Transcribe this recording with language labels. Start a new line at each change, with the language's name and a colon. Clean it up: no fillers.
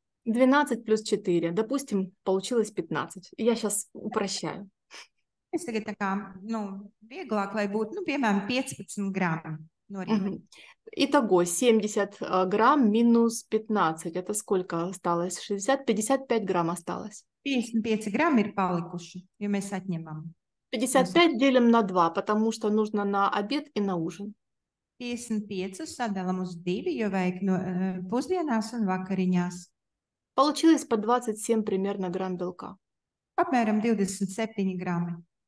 Russian: 12 плюс 4, допустим, получилось 15. Я сейчас упрощаю. Если это такая, ну, бегла, как будет, ну, примерно 15 грамм. Итого, 70 грамм минус 15, это сколько осталось? 60, 55 грамм осталось.
Latvian: 55 грамм ir palikuši, jo mēs atņemam.
Russian: 55 делим на 2, потому что нужно на обед и на ужин.
Latvian: 55 sadalam uz 2, jo vajag pusdienās un vakariņās.
Russian: Получилось по 27 примерно грамм белка.
Latvian: Apmēram 27 граммы.